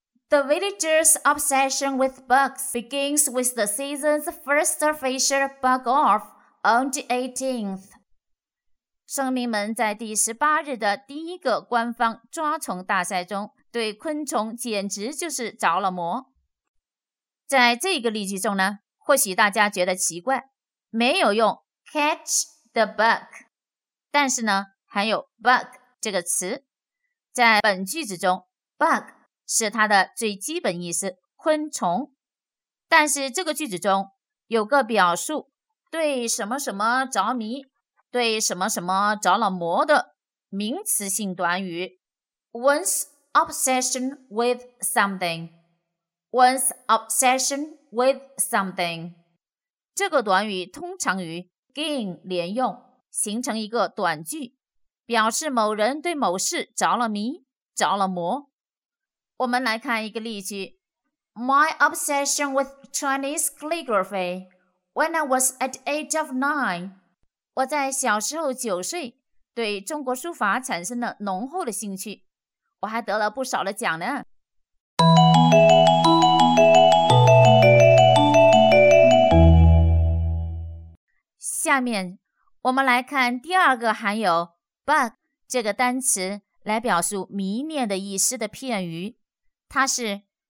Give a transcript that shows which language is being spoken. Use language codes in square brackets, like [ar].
[en] The villagers' obsession with bugs begins with the season's first surface bug off on the 18th. [zh] 村民们在第十八日的第一个官方抓虫大赛中，对昆虫简直就是着了魔。在这个例句中呢，或许大家觉得奇怪，没有用 [en] catch the bug， [zh] 但是呢，含有 bug 这个词，在本句子中。 Bug 是它的最基本意思，昆虫。但是这个句子中有个表述，对什么什么着迷，对什么什么着了魔的名词性短语 [en] One's obsession with something。 One's obsession with something [zh] 这个短语通常与 gain 连用，形成一个短句，表示某人对某事着了迷，着了魔。我们来看一个例句， [en] My obsession with Chinese calligraphy when I was at age of 9. [zh] 我在小时候九岁对中国书法产生了浓厚的兴趣，我还得了不少的奖呢。下面我们来看第二个含有 bug 这个单词来表述迷恋的意思的片语，它是